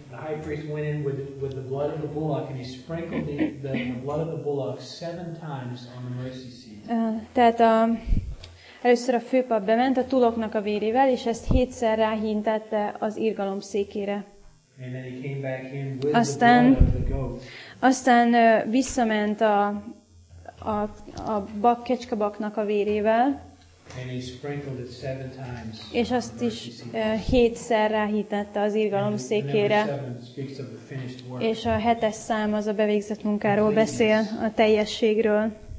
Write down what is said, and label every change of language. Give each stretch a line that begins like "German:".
English: The high priest went in with the blood of the bullock and he sprinkled the blood of the bullock 7 times on the mercy seat.
Hungarian: Tehát először a főpap bement a tuloknak a vérével, és ezt 7-szer ráhintette az irgalom székére.
English: And then he came back in with
Hungarian: aztán,
English: the blood of the goat.
Hungarian: Aztán visszament a bak, kecskebaknak a vérével.
English: And he sprinkled it 7 times.
Hungarian: És azt is 7-szer ráhintette az irgalom székére. És a 7-es szám az a bevégzett munkáról beszél, a teljességről.